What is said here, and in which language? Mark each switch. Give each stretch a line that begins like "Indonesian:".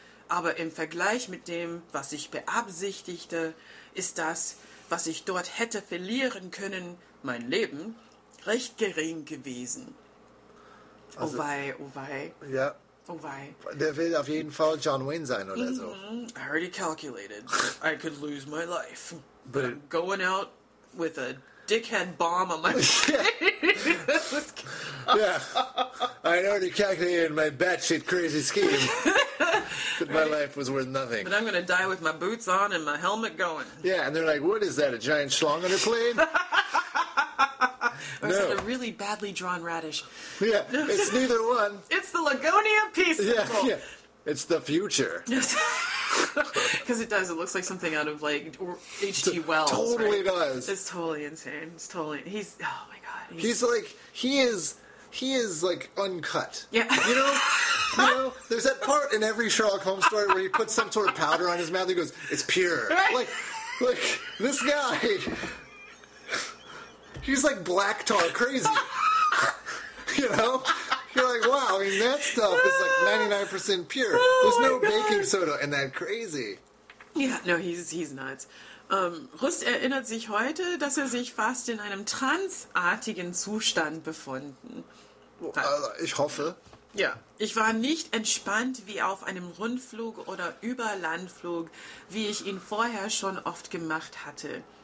German: Aber im Vergleich mit dem, was ich beabsichtigte, ist das, was ich dort hätte verlieren können, mein Leben, recht gering gewesen. Also, oh wei, oh wei. Ja. Oh wei. Der will auf jeden Fall John Wayne sein oder so.
English: I already calculated. I could lose my life. But I'm going out with a dickhead bomb on my face. Yeah. I already calculated my batshit crazy scheme. That my life was worth nothing. But I'm going to die with my boots on and my helmet going. Yeah, and they're like, what is that, a giant schlong on a plane? Or no. Is it a really badly drawn radish? Yeah, it's neither one. It's the Lagonia peaceful. Yeah, yeah. It's the future. Because it does. It looks like something out of, like, H.G. Wells. Totally right? Does. It's totally insane. It's totally... He's... Oh, my God. He's like... He is... He is, like, uncut. Yeah. You know? You know? There's that part in every Sherlock Holmes story where he puts some sort of powder on his mouth and he goes, it's pure. Right? Like, this guy... He's, like, black tar crazy. You know? You're like, wow, I mean, that stuff is, like, 99% pure. Oh, there's no God. Baking soda in that crazy. Yeah, no, he's nuts.
German: Rust erinnert sich heute, dass sich fast in einem transartigen Zustand befunden. Ich hoffe. Ja, ich war nicht entspannt wie auf einem Rundflug oder Überlandflug, wie ich ihn vorher schon oft gemacht hatte.